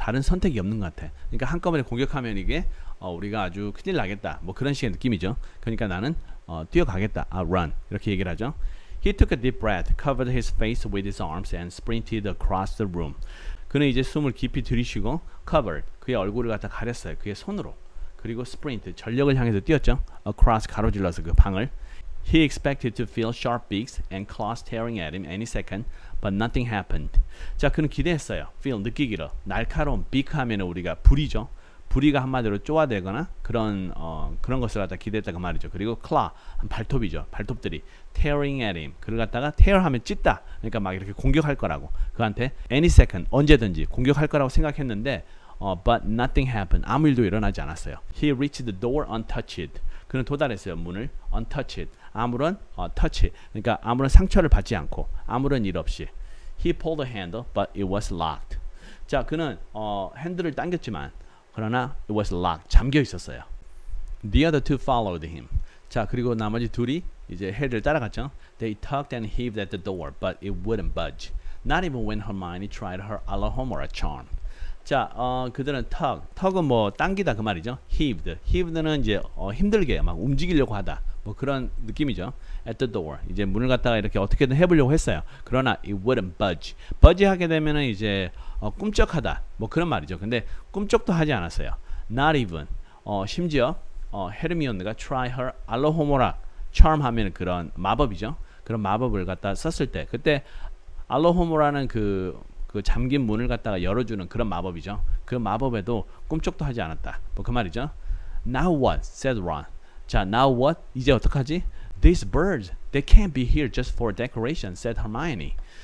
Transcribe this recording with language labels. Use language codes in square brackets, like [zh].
[ko] 다른 선택이 없는 것 같아. 그러니까 한꺼번에 공격하면 이게 우리가 아주 큰일 나겠다. 뭐 그런 식의 느낌이죠. 그러니까 나는 뛰어가겠다. [en] I'll run. [ko] 이렇게 얘기를 하죠. [en] He took a deep breath, covered his face with his arms and sprinted across the room. [ko] 그는 이제 숨을 깊이 들이쉬고 covered. 그의 얼굴을 갖다 가렸어요. 그의 손으로. 그리고 스프린트, 전력을 향해서 뛰었죠. Across, 가로질러서 그 방을. [en] He expected to feel sharp beaks and claws tearing at him any second, but nothing happened. [ko] 자, 그는 기대했어요. Feel, 느끼기로. 날카로운 beak 하면 우리가 부리죠. 부리가 한마디로 쪼아대거나 그런 그런 것을 갖다 기대했다 그 말이죠. 그리고 claw, 발톱이죠. 발톱들이. Tearing at him. 그를 갖다가 tear 하면 찢다. 그러니까 막 이렇게 공격할 거라고. 그한테 any second, 언제든지 공격할 거라고 생각했는데 [en] but nothing happened. [ko] 아무 일도 일어나지 않았어요. [en] He reached the door untouched. [ko] 그는 도달했어요. 문을 [en] untouched. [ko] 아무런 touch. 그러니까 아무런 상처를 받지 않고 아무런 일 없이. [en] He pulled the handle, but it was locked. [ko] 자, 그는 핸들을 당겼지만 그러나 [en] it was locked. [ko] 잠겨 있었어요. [en] The other two followed him. [ko] 자, 그리고 나머지 둘이 이제 해리를 따라갔죠. [en] They tugged and heaved at the door, but it wouldn't budge. Not even when Hermione tried her Alohomora charm. [ko] 자, 그들은 tug, tug은 뭐 당기다 그 말이죠. heaved, heaved는 이제 힘들게 막 움직이려고 하다 뭐 그런 느낌이죠. at the door, 이제 문을 갖다가 이렇게 어떻게든 해보려고 했어요. 그러나 [en] it wouldn't budge. [ko] budge 하게 되면은 이제 꿈쩍하다 뭐 그런 말이죠. 근데 꿈쩍도 하지 않았어요. not even, 심지어 헤르미온가 [en] try her Alohomora charm [ko] 하면 그런 마법이죠. 그런 마법을 갖다 썼을 때 그때 Alohomora라는 그 잠긴 문을 갖다가 열어주는 그런 마법이죠. 그 마법에도 꿈쩍도 하지 않았다. 뭐 그 말이죠. [en] Now what? said Ron. [ko] 자, [en] now what? [ko] 이제 어떡하지? [en] These birds, they can't be here just for decoration, said Hermione.